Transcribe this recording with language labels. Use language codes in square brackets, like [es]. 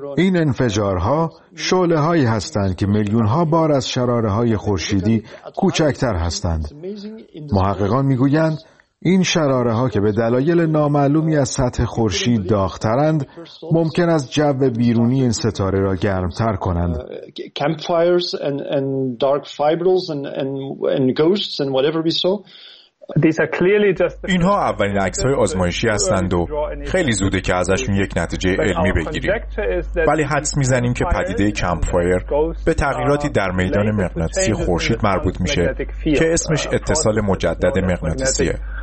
[fa] این انفجارها شعله هایی هستند که میلیون ها بار از شراره های خورشیدی کوچکتر هستند. محققان می گویند این شراره ها که به دلایل نامعلومی از سطح خورشید داغ‌ترند ممکن است جو بیرونی این ستاره را گرم‌تر کنند. [en] Campfires and dark fibrils and ghosts and whatever we saw. [fa] اینها اولین عکس‌های آزمایشی هستند و خیلی زوده که ازشون یک نتیجه علمی بگیریم، ولی حدس می‌زنیم که پدیده کمپ فایر به تغییراتی در میدان مغناطیسی خورشید مربوط میشه که اسمش اتصال مجدد مغناطیسیه.